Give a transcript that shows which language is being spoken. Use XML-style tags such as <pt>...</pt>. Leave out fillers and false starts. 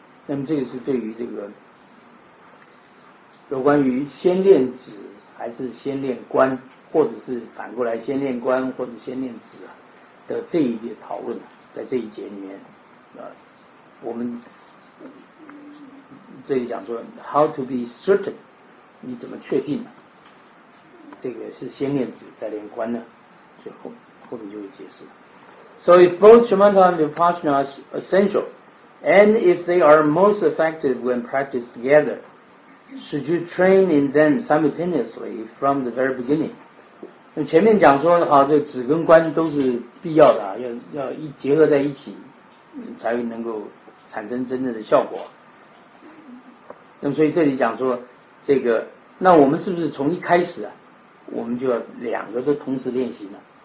<zh>那么这个是对于这个有关于先念止还是先念观，或者是反过来先念观或者先念止的这一节讨论，在这一节里面我们这里讲说</zh> <en>How to be certain，</en> <zh>你怎么确定这个是先念止再念观呢？所以 后面就会解释。</zh> <en>So if both Shamatha and Vipassana are essential, and if they are most effective when practiced together, should you train in them simultaneously from the very beginning?</en> <zh>那前面讲说，好，这止跟观都是必要的，要一结合在一起，才能够产生真正的效果。那么所以这里讲说，这个，那我们是不是从一开始啊，我们就要两个都同时练习呢？</zh>